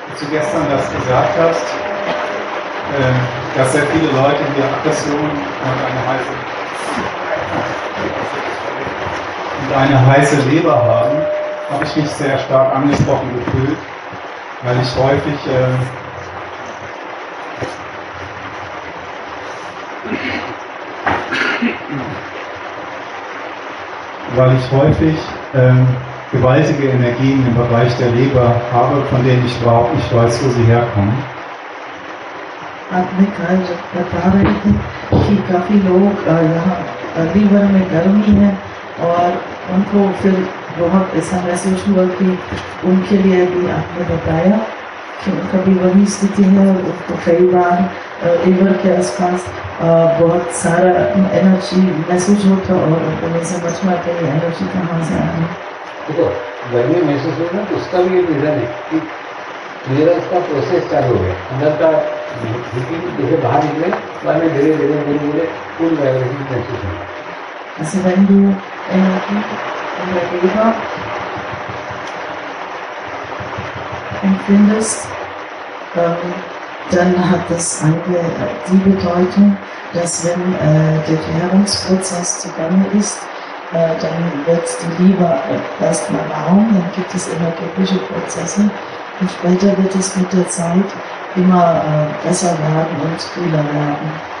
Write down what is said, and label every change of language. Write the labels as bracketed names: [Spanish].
[German] Gestern das gesagt hast, dass sehr viele Leute in der Aggression und eine heiße Leber haben, habe ich mich sehr stark angesprochen gefühlt, weil ich häufig gewaltige Energien im Bereich der Leber habe, von denen ich glaube, ich weiß, wo sie herkommen. [Hindi] आपने कहा जब बता रहे थे कि काफी लोग यहाँ लीवर में गर्मी है और उनको फिर बहुत ऐसा महसूस हुआ कि उनके लिए भी आपने बताया कि उनका भी वही स्थिति है उनको कई बार लीवर के आसपास बहुत सारा एनर्जी महसूस होता और उनको नहीं समझ में आता है एनर्जी कहाँ से आ रही है देखो गर्मी महसूस हो ना तो उसका भी ये रीज़न है कि मेरा इसका प्रोसेस चालू हो गया अंदर का जैसे बाहर निकले बाद में धीरे धीरे धीरे धीरे फुल वाइब्रेशन महसूस होगा ऐसे [German] Dann hat das eine die Bedeutung, dass wenn der Klärungsprozess zugange ist, dann wird die Leber erstmal warm, dann gibt es energetische Prozesse und später wird es mit der Zeit immer besser werden und kühler werden.